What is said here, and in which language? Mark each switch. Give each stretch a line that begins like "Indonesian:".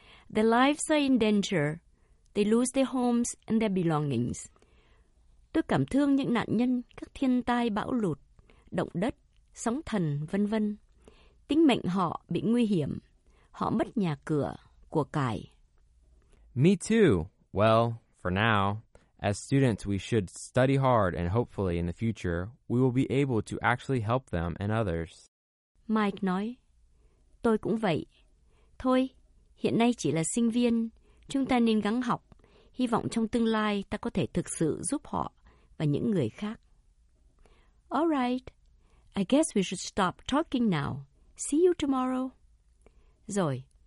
English: Their lives are in danger. They lose their homes and their belongings.
Vietnamese: Tôi cảm thương những nạn nhân các thiên tai bão lụt, động đất, sóng thần, vân vân. Tính mệnh họ bị nguy hiểm. Họ mất nhà cửa, của cải.
English: Me too. Well, for now, as students, we should study hard and hopefully in the future, we will be able to actually help them and others.
Vietnamese: Mike nói, tôi cũng vậy. Thôi, hiện nay chỉ là sinh viên. Chúng ta nên gắng học. Hy vọng trong tương lai ta có thể thực sự giúp họ và những người khác.
English: All right. I guess we should stop talking now. See you tomorrow. Rồi.